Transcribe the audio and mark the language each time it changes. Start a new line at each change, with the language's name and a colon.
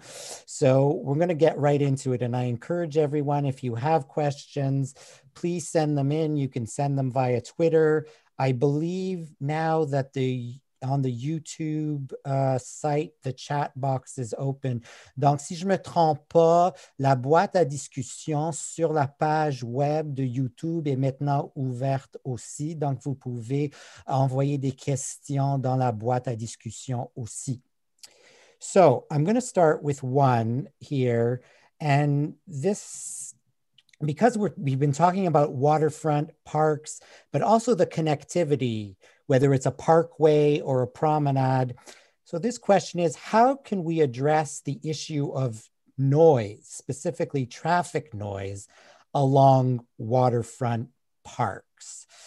English: So we're going to get right into it. And I encourage everyone, if you have questions, please send them in. You can send them via Twitter. I believe now that on the YouTube site, the chat box is open.
French: Donc, si je ne me trompe pas, la boîte à discussion sur la page web de YouTube est maintenant ouverte aussi. Donc, vous pouvez envoyer des questions dans la boîte à discussion aussi.
English: So, I'm going to start with one here. And this because we've been talking about waterfront parks, but also the connectivity, whether it's a parkway or a promenade. So this question is, how can we address the issue of noise, specifically traffic noise, along waterfront parks?